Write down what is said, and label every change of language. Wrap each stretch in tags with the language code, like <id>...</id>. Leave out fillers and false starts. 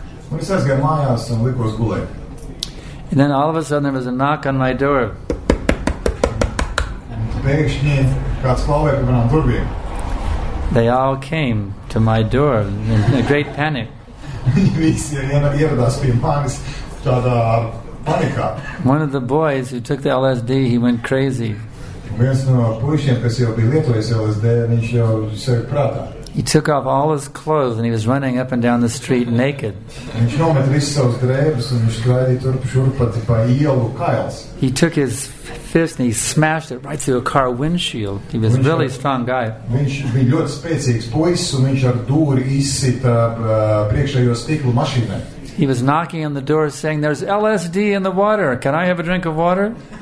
<lv>Un es aizgāju mājās un likos gulēt.</lv> <en>And then all of a sudden there was a knock on my door.</en> <lv>Pēkšņi kāds klauvē pie manām durvīm.</lv> <en>They all came to my door in a great panic.</en> <lv>Visi ieradās pie manis tādā panikā.</lv> <en>One of the boys who took the LSD, he went crazy.</en> <lv>Viens no puišiem, kas jau bija lietojis LSD, viņš jau sevi prātā.</lv> <en>He took off all his clothes and he was running up and down the street naked.</en> <lv>Viņš nomet visus savus drēbes un viņš skraidīja turp šurpat pa ielu kails.</lv> <en>He took his fist and he smashed it right through a car windshield. He was a really strong guy.</en> <lv>Viņš bija ļoti spēcīgs puisis un viņš ar dūri izsita priekšējo stiklu mašīnē.</lv> <en>He was knocking on the door saying, there's LSD in the water. Can I have a drink of water?</en>